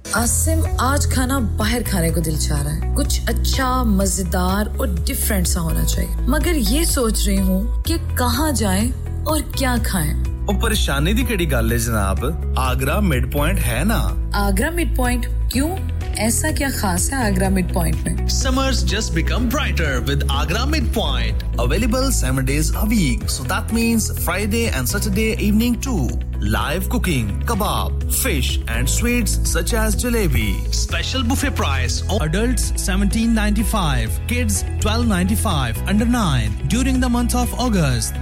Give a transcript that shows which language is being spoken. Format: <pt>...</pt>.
<en>Asim, today I'm going to eat outside. Something good, delicious and different should happen. But I'm thinking where to go and what to eat. What are you talking about, Janab? Agra Midpoint, right? Agra Midpoint? Why?</en> <hi>ऐसा क्या खास है Agra midpoint में?</hi> <en>Summers just become brighter with Agra Midpoint. Available 7 days a week. So that means Friday and Saturday evening too. Live cooking, kebab, fish and sweets such as jalebi. Special buffet price. Adults 17.95, kids 12.95, under 9, during the month of August.</en>